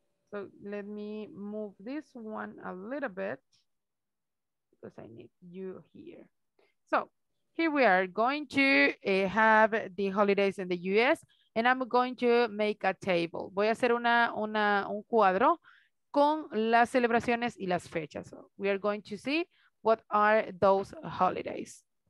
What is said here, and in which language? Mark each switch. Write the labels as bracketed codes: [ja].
[en] So let me move this one a little bit. Because I need you here. So here we are going to have the holidays in the US and I'm going to make a table. [es] Voy a hacer un cuadro con las celebraciones y las fechas. [en] So we are going to see what are those holidays.